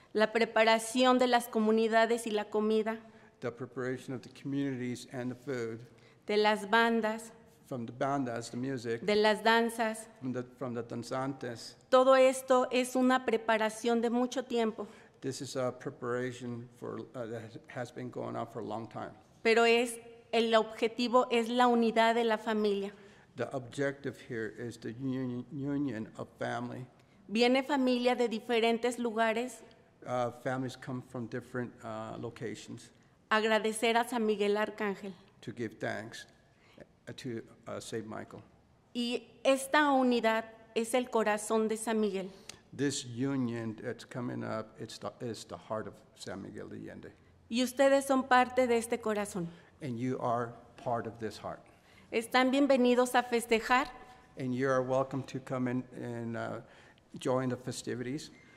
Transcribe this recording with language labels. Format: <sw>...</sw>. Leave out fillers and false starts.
<es>La preparación de las comunidades y la comida.</es> <en>The preparation of the communities and the food.</en> <es>De las bandas.</es> <en>From the bandas, the music.</en> <es>De las danzas.</es> <en>From the danzantes.</en> <es>Todo esto es una preparación de mucho tiempo.</es> <en>This is a preparation for that has been going on for a long time.</en> <es>Pero es el objetivo es la unidad de la familia.</es> <en>The objective here is the union of family.</en> <es>Viene familia de diferentes lugares.</es> <en>Families come from different locations.</en> <es>Agradecer a San Miguel Arcángel.</es> <en>To give thanks to Saint Michael.</en> <es>Y esta unidad es el corazón de San Miguel.</es> <en>This union that's coming up, it's the heart of San Miguel de Allende.</en> <es>Y ustedes son parte de este corazón.</es> <en>And you are part of this heart.</en> <es>Están bienvenidos a festejar.</es> <en>And you are welcome to come in and join the festivities.</en>